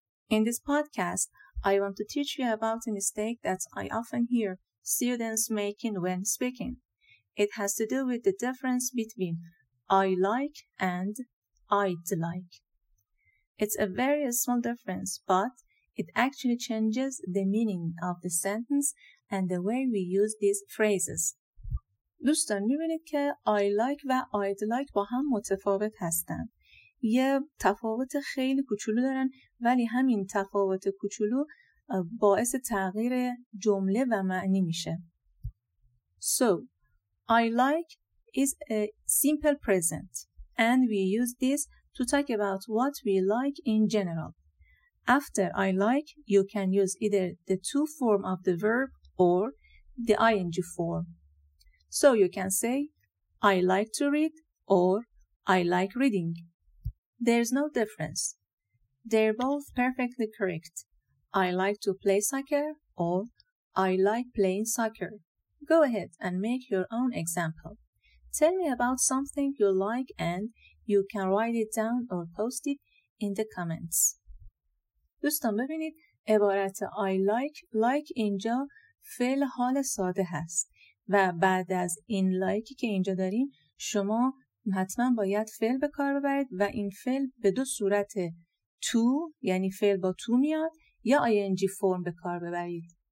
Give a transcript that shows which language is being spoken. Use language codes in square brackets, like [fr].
[en] In this podcast, I want to teach you about a mistake that I often hear students making when speaking. It has to do with the difference between I like and I'd like. It's a very small difference, but it actually changes the meaning of the sentence and the way we use these phrases. [fa] دوستان می‌بینید که I like و I'd like با هم متفاوت هستند. یه تفاوت خیلی کوچولو دارن، ولی همین تفاوت کوچولو باعث تغییر جمله و معنی میشه. [en] So, I like is a simple present and we use this to talk about what we like in general. After I like, you can use either the two form of the verb or the ing form. So you can say I like to read or I like reading. There's no difference. They're both perfectly correct. I like to play soccer or I like playing soccer. Go ahead and make your own example. Tell me about something you like and you can write it down or post it in the comments. [fa] دوستان ببینید عبارت I like اینجا فعل حال ساده هست و بعد از این like که اینجا داریم شما حتما باید فعل به کار ببرید و این فعل به دو صورت to یعنی فعل با to میاد یا ing form به کار ببرید.